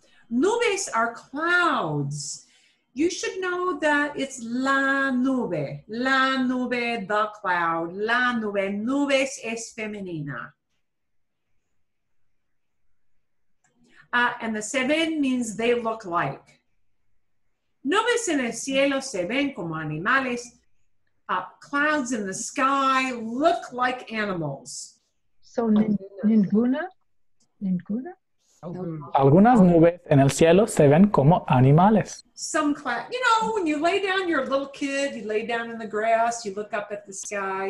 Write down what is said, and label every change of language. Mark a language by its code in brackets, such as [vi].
[en] Nubes are clouds. You should know that it's la nube. [es] La nube, [en] the cloud. [es] La nube. Nubes es femenina. [en] And the se ven means they look like. [es] Nubes en el cielo se ven como animales. [en] Clouds in the sky look like animals. [es] So ninguna? Ninguna? Algunas nubes en el cielo se ven como animales. [en] Some cloud, you know, when you lay down, you're a little kid, you lay down in the grass, you look up at the sky.